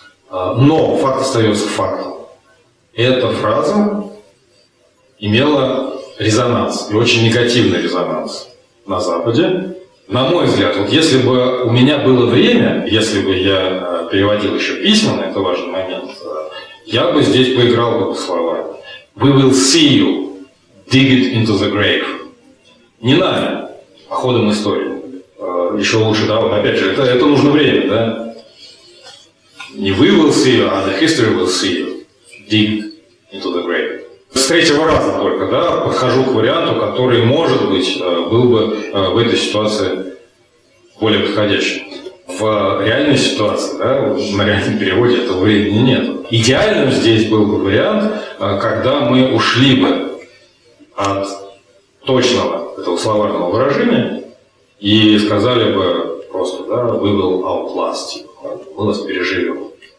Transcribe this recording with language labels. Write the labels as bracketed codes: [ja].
[ru] Но факт остается фактом. Эта фраза имела резонанс, и очень негативный резонанс на Западе. На мой взгляд, вот если бы у меня было время, если бы я переводил еще письменно, это важный момент, я бы здесь поиграл бы по словам. [en] We will see you, dig it into the grave. [ru] Не нами, а ходом истории. Еще лучше, да, опять же, это нужно время, да? [en] Не we will see you, а the history will see you, dig it into the grave. [ru] С третьего раза только, да, подхожу к варианту, который, может быть, был бы в этой ситуации более подходящим. В реальной ситуации, да, на реальном переводе этого времени нет. Идеальным здесь был бы вариант, когда мы ушли бы от точного этого словарного выражения и сказали бы просто, да, [en] we will outlast you, [ru] мы вас переживем.